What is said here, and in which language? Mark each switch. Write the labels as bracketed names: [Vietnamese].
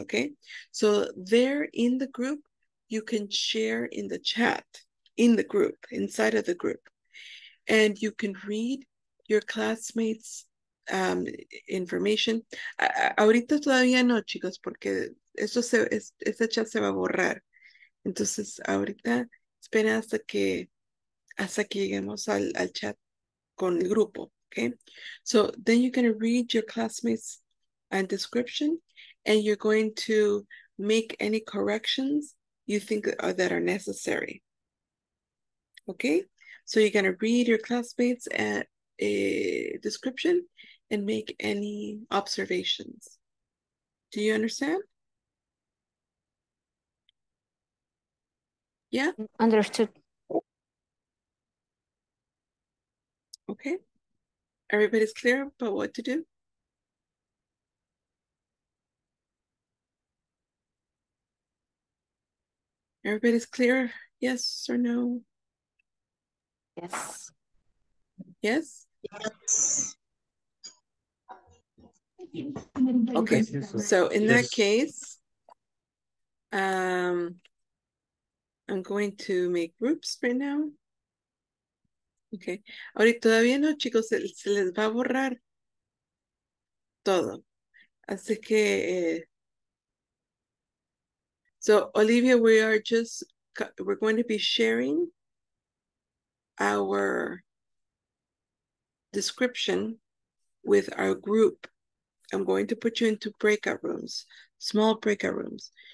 [English] Okay, so there in the group you can share in the chat in the group, inside of the group, and you can read your classmates' information. [Spanish] Ahorita todavía no, chicos, porque eso se es, ese chat se va a borrar. Entonces ahorita espera hasta que lleguemos al chat con el grupo, okay? [English] So then you're going to read your classmates' and description, and you're going to make any corrections you think that are necessary, okay? So you're going to read your classmates' and a description and make any observations. Do you understand? Yeah? Understood. Okay, everybody's clear about what to do? Everybody's clear, yes or no? Yes. Yes? Yes. Okay, so in that case, I'm going to make groups right now. [Spanish] Okay, ahorita todavía no, chicos, se les va a borrar todo. Así que, [English] so Olivia, we're going to be sharing our description with our group. I'm going to put you into breakout rooms, small breakout rooms.